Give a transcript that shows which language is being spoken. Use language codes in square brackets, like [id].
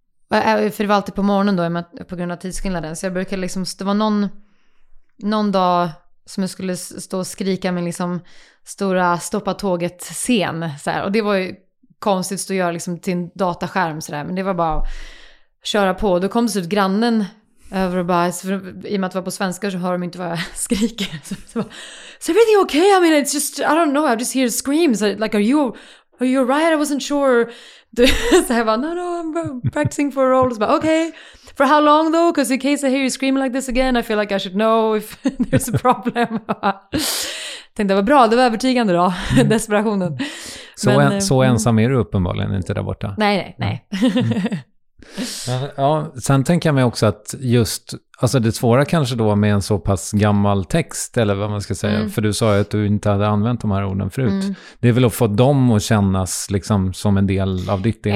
[sv] För det var alltid på morgonen då, på grund av tidsskillnaden. Så jag brukade liksom, det var någon dag som jag skulle stå och skrika med liksom stora stoppa tåget scen så här. Och det var ju konstigt att stå och göra liksom till en dataskärm så där. Men det var bara att köra på. Då kom det ut grannen över och bara, för, i och med att det var på svenska så hör de inte vad jag skriker. [en] Så everything okay? I mean, it's just, I don't know, I just hear screams. Like, are you right? I wasn't sure. [sv] Så jag bara, [en] no, I'm practicing for a role. [sv] Så bara, [en] okay, for how long though? Because in case I hear you screaming like this again, I feel like I should know if there's a problem. [sv] Tänkte, det var bra, det var övertygande då, desperationen. Så, men, så ensam är du uppenbarligen inte där borta. Nej. Ja, sen tänker jag mig också att just, alltså det svåra kanske då med en så pass gammal text, eller vad man ska säga, för du sa ju att du inte hade använt de här orden förut, det är väl att få dem att kännas liksom som en del av ditt DNA.